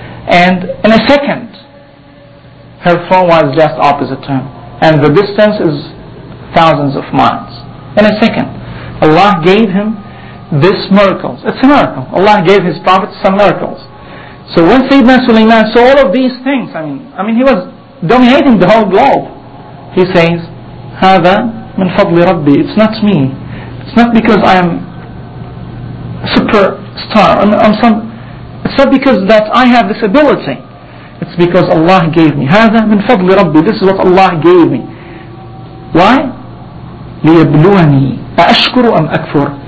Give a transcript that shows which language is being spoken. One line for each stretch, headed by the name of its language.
English: And in a second, her throne was just opposite to him. And the distance is thousands of miles. In a second, Allah gave him this miracles. It's a miracle. Allah gave his prophet some miracles. So when Sayyidina Sulaiman saw all of these things, I mean, he was dominating the whole globe. He says,
Arabic: هذا من فضل ربي.
English: It's not me. It's not because I'm a superstar. It's not because that I have this ability. It's because Allah gave me.
Arabic: هذا من فضل ربي.
English: This is what Allah gave me.
Arabic: Why? ليبلوني. أشكر أم أكفر.